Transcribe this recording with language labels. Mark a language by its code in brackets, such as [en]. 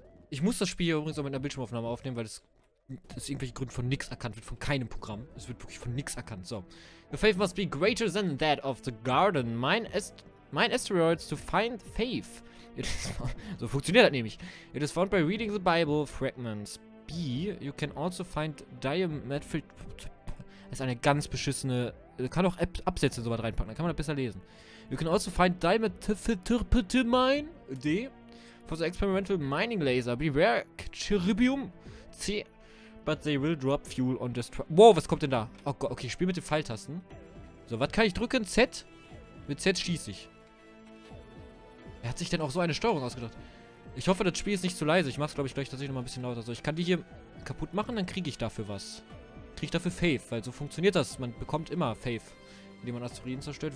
[de] Ich muss das Spiel übrigens auch mit einer Bildschirmaufnahme aufnehmen, weil das irgendwelche Gründe von nix erkannt wird. Von keinem Programm. Es wird wirklich von nix erkannt. So. [en] Your faith must be greater than that of the garden. Mine asteroids to find faith. [de] So funktioniert das nämlich. [en] It is found by reading the Bible fragments. B. You can also find diametric... [de] Das ist eine ganz beschissene... Kann auch Absätze so weit reinpacken, dann kann man das besser lesen. [en] You can also find diamond mine D for the experimental mining laser. Beware cherubium C, but they will drop fuel on destroy. [de] Wow, was kommt denn da? Oh Gott, okay, ich spiele mit den Pfeiltasten. So, was kann ich drücken? Z? Mit Z schieße ich. Wer hat sich denn auch so eine Steuerung ausgedacht? Ich hoffe, das Spiel ist nicht zu leise. Ich mach's, glaube ich, gleich tatsächlich noch mal ein bisschen lauter. So, ich kann die hier kaputt machen, dann kriege ich dafür was. Kriege ich dafür Faith, weil so funktioniert das. Man bekommt immer Faith, indem man Asteroiden zerstört.